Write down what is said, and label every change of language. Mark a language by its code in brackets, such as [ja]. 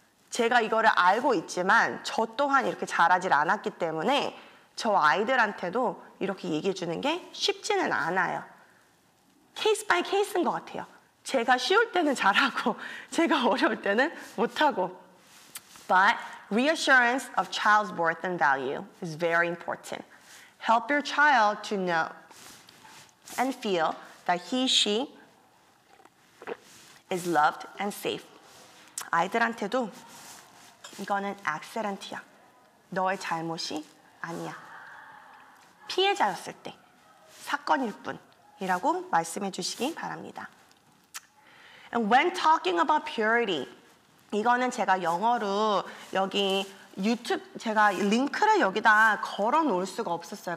[ko] 제가 이거를 알고 있지만 저 또한 이렇게 자라질 않았기 때문에 저 아이들한테도 이렇게 얘기해 주는 게 쉽지는 않아요. 케이스 바이 케이스인 것 같아요. 제가 쉬울 때는 잘하고 제가 어려울 때는 못하고. [en] But reassurance of child's worth and value is very important. Help your child to know and feel that he, she is loved and safe. [ko] 아이들한테도 이거는 악세런트야. 너의 잘못이 아니야. 피해자였을 때, 사건일 뿐이라고 말씀해 주시기 바랍니다. [en] And when talking about purity, [ko] 이거는 제가 영어로 여기 유튜브 제가 링크를 여기다 걸어놓을 수가 없었어요.